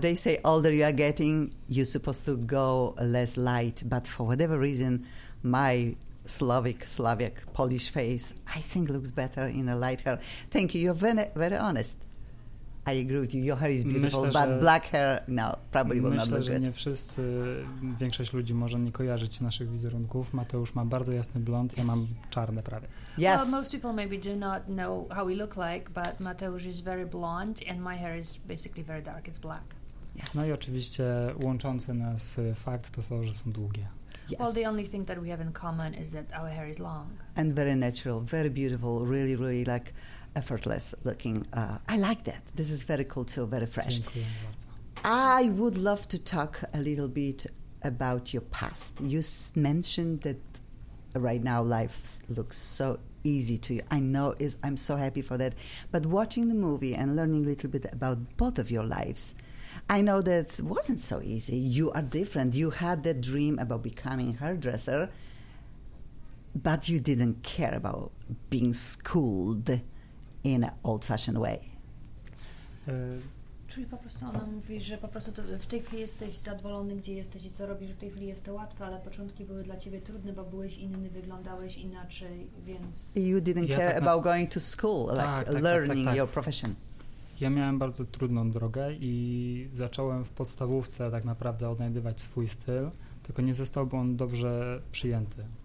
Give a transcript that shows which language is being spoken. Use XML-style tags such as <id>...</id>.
<en>They say older you are getting, you're supposed to go less light, but for whatever reason, my Slavic Polish face, I think looks better in a light hair. Thank you. You're very, very honest. I agree with you. Your hair is beautiful,</en> <pl>myślę,</pl> <en>but black hair, no, probably will not look good.</en> <pl>Nie wszyscy, większość ludzi może nie kojarzyć naszych wizerunków. Mateusz ma bardzo jasny blond,</pl> <en>yes.</en> <pl>Ja mam czarne prawie.</pl> <en>Yes. Well, most people maybe do not know how we look like, but Mateusz is very blonde and my hair is basically very dark. It's black. Yes.</en> <pl>No i oczywiście łączący nas fakt to to, że są długie.</pl> <en>Yes. Well, the only thing that we have in common is that our hair is long. And very natural, very beautiful, really, really like effortless looking. I like that. This is very cool too, very fresh. I would love to talk a little bit about your past. You mentioned that right now life looks so easy to you. I'm so happy for that. But watching the movie and learning a little bit about both of your lives, I know that it wasn't so easy. You are different. You had that dream about becoming a hairdresser, but you didn't care about being schooled in an old-fashioned way.</en> <pl>Czyli po prostu ona mówi, że po prostu w tej chwili jesteś zadowolony, gdzie jesteś i co robisz, w tej chwili jest to łatwe, ale początki były dla ciebie trudne, bo byłeś inny, wyglądałeś inaczej, więc...</pl> <en>You didn't care about going to school, learning your profession.</en> <pl>Ja miałem bardzo trudną drogę i zacząłem w podstawówce tak naprawdę odnajdywać swój styl, tylko nie został on dobrze przyjęty.</pl>